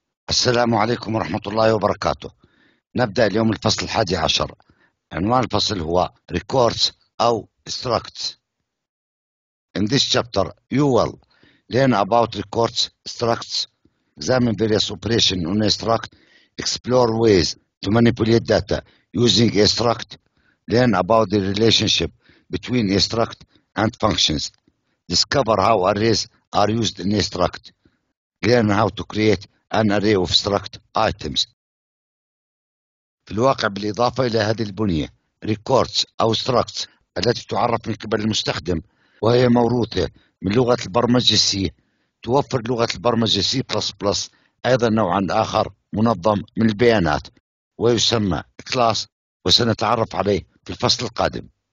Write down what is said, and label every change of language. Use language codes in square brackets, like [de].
[ar] السلام عليكم ورحمة الله وبركاته. نبدأ اليوم الفصل 11. عنوان الفصل هو Records أو Structs. [en] In this chapter you will learn about Records, Structs, examine various operations on a Struct, explore ways to manipulate data using a Struct, learn about the relationship between a Struct and functions, discover how arrays are used in a Struct, learn how to create an array of struct items. [ar] في الواقع بالإضافة إلى هذه البنية records أو structs التي تعرف من قبل المستخدم وهي موروثة من لغة البرمجة C، توفر لغة البرمجة C++ أيضا نوعا آخر منظم من البيانات ويسمى class، وسنتعرف عليه في الفصل القادم.